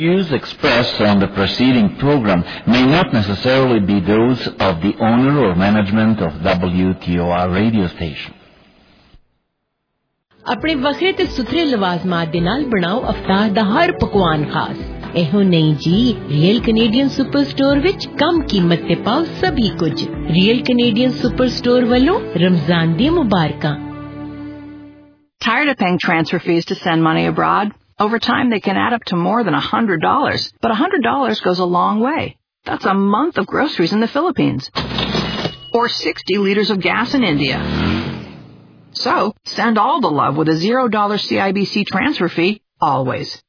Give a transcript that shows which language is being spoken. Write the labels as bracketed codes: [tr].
[en] expressed on the preceding program may not necessarily be those of the owner or management of WTOR radio station. [pa] اپنے وکھرے تے ستھرے لوازمات دے نال بناؤ افطار دا ہر پکوان خاص، ایہو نہیں جی، ریئل کینیڈین سپر سٹور وچ کم قیمت تے پاؤ سبھی کچھ، ریئل کینیڈین سپر سٹور والوں رمضان دی مبارکاں. [en] Tired of paying transfer fees to send money abroad? Over time, they can add up to more than $100, but $100 goes a long way. That's a month of groceries in the Philippines, or 60 liters of gas in India. So, send all the love with a $0 CIBC transfer fee, always.